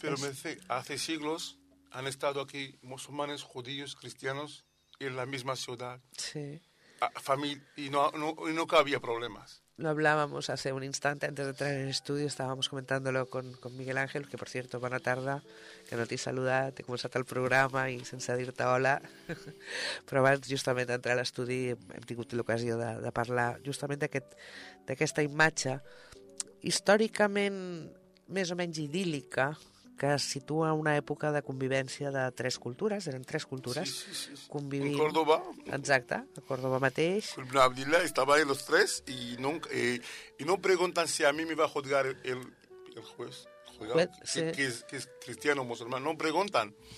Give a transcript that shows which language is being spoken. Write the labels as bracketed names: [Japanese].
[Spanish] Pero me dice, hace siglos han estado aquí musulmanes, judíos, cristianos, en la misma ciudad. Sí. Y no había problemas. Lo hablábamos hace un instante, antes de entrar en el estudio, estábamos comentándolo con Miguel Ángel, que por cierto, [Catalan] bona tarda, que no t'he saludat, com s'ha estat el programa i sense dir-te hola. Però abans, justament, d'entrar a l'estudi, hem tingut l'ocasió de parlar justament d'aquesta imatge històricament més o menys idíl·lica que es situa en una època de convivència de tres cultures, eren tres cultures, sí, sí, sí. Convivint... [Spanish] En Córdoba. [Catalan] Exacte, a Córdoba mateix. [Spanish] En Abdila estava en los tres y nunca, y no preguntan si a mí me va a juzgar el juez, sí. que es cristiano o musulmán, no preguntan.